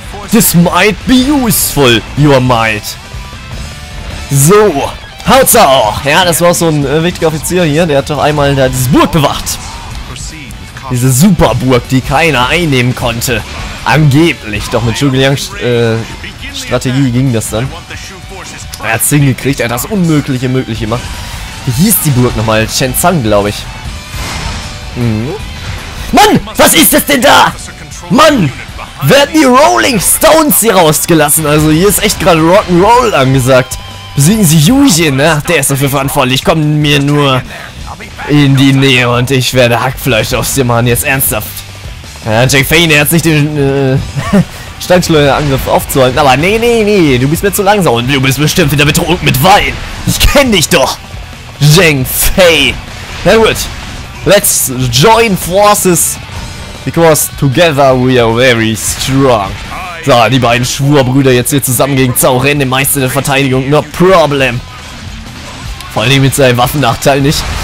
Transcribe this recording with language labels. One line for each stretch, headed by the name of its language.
English: This might be useful, your might.
German: So, Hauzao. Ja, das war so ein wichtiger Offizier hier. Der hat doch einmal da diese Burg bewacht. Diese Superburg, die keiner einnehmen konnte. Angeblich. Doch mit Zhu Guilangs Strategie ging das dann. Er hat es hingekriegt. Er hat das Unmögliche möglich gemacht. Wie hieß die Burg nochmal? Shenzhen, glaube ich. Mhm. Mann, was ist das denn da? Mann! Werden die Rolling Stones hier rausgelassen? Also hier ist echt gerade Rock'n'Roll angesagt. Besiegen sie Yujin, ne? Der ist dafür verantwortlich. Komm mir nur in die Nähe und ich werde Hackfleisch aus dir machen. Jetzt ernsthaft. Ja, Jack Fane, er hat sich den Steinschleuderangriff aufzuhalten. Aber nee, nee, nee, du bist mir zu langsam und du bist bestimmt wieder betrunken mit Wein. Ich kenne dich doch, Jack Fane. Na gut,
English: let's join forces. Because together we are very strong.
German: So, die beiden Schwurbrüder jetzt hier zusammen gegen Zhao Ren, den Meister der Verteidigung.
English: No problem.
German: Vor allem mit seinem Waffennachteil nicht.